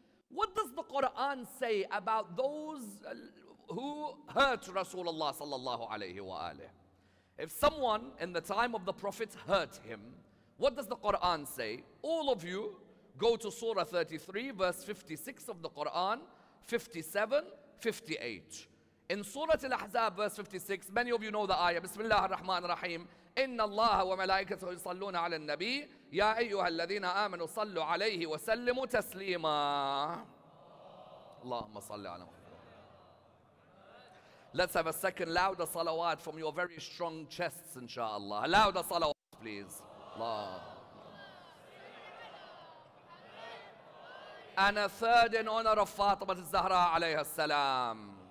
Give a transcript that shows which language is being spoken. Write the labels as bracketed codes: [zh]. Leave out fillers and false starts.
[en] What does the Quran say about those who hurt Rasulullah sallallahu alayhi wa alayhi? If someone in the time of the Prophet hurt him, what does the Quran say? All of you go to Surah 33, verse 56 of the Quran, 57, 58. In Surah Al-Ahzab, verse 56, many of you know the ayah, Bismillah ar-Rahman ar-Rahim, [ar] إن الله وملائكته يصلون على النبي يا أيها الذين آمنوا صلوا عليه وسلموا تسليما. اللهم صل على محمد. [en] Let's have a second louder salawat from your very strong chests, inshallah. Louder salawat, please. Allah. And a third in honor of Fatima al-Zahra alayha salam.